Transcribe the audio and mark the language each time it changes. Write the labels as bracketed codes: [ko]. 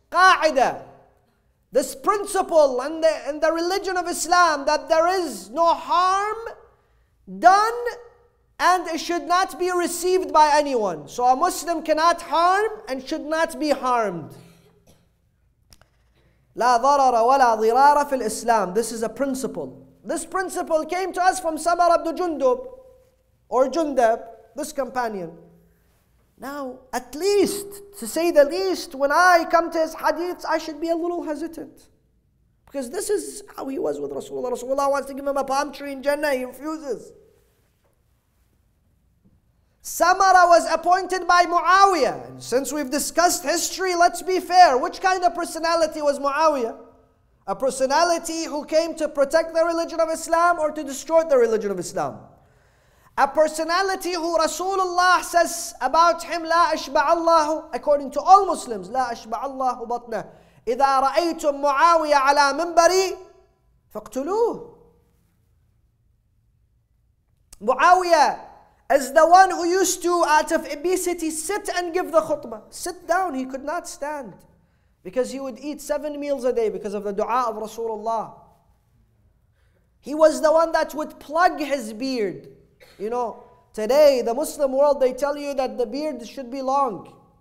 [ar] قاعدة. [en] This principle in the religion of Islam that there is no harm done and it should not be received by anyone. So a Muslim cannot harm and should not be harmed. [ar] لا ضرر ولا ضرار في الإسلام. [en] This is a principle. This principle came to us from Samar ibn Jundub, or Jundab, this companion. Now, at least, to say the least, when I come to his hadiths, I should be a little hesitant. Because this is how he was with Rasulullah. Rasulullah wants to give him a palm tree in Jannah, he refuses. Samara was appointed by Muawiyah. Since we've discussed history, let's be fair. Which kind of personality was Muawiyah? A personality who came to protect the religion of Islam or to destroy the religion of Islam? A personality who Rasulullah says about him, [ar] لا أشبع الله, [en] according to all Muslims, [ar] لا أشبع الله بطنه. إذا رأيتم معاوية على منبري فاقتلوه. [en] Muawiyah is the one who used to, out of obesity, sit and give the khutbah. Sit down, he could not stand. Because he would eat 7 meals a day because of the dua of Rasulullah. He was the one that would plug his beard. You know, today, the Muslim world, they tell you that the beard should be long.